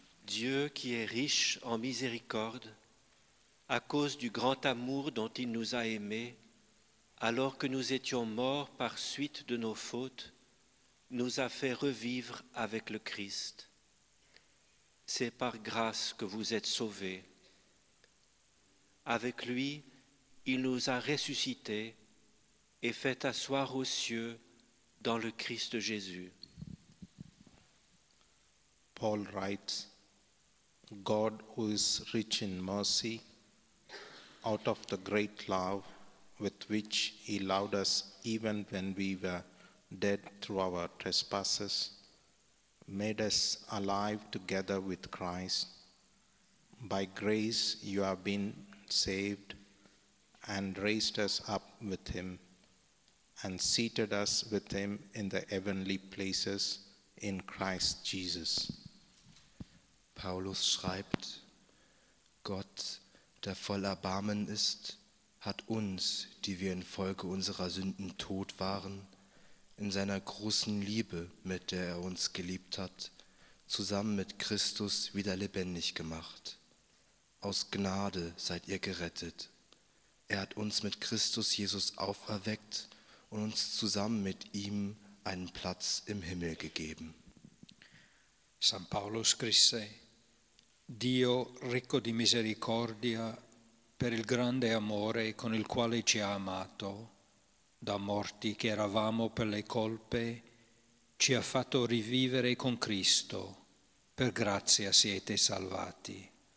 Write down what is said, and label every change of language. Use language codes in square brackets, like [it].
[fr] Dieu qui est riche en miséricorde, à cause du grand amour dont il nous a aimés, alors que nous étions morts par suite de nos fautes, nous a fait revivre avec le Christ. C'est par grâce que vous êtes sauvés. Avec lui, il nous a ressuscités et fait asseoir aux cieux dans le Christ Jésus. [en] Paul writes, God, who is rich in mercy, out of the great love with which he loved us even when we were dead through our trespasses, made us alive together with Christ. By grace you have been saved and raised us up with him and seated us with him in the heavenly places in Christ Jesus. [de] Paulus schreibt, Gott, der voll Erbarmen ist, hat uns, die wir infolge unserer Sünden tot waren, in seiner großen Liebe, mit der er uns geliebt hat, zusammen mit Christus wieder lebendig gemacht. Aus Gnade seid ihr gerettet. Er hat uns mit Christus Jesus auferweckt und uns zusammen mit ihm einen Platz im Himmel gegeben. [it] San Paolo scrisse, Dio ricco di misericordia per il grande amore con il quale ci ha amato, da morti che eravamo per le colpe, ci ha fatto rivivere con Cristo, per grazia siete salvati.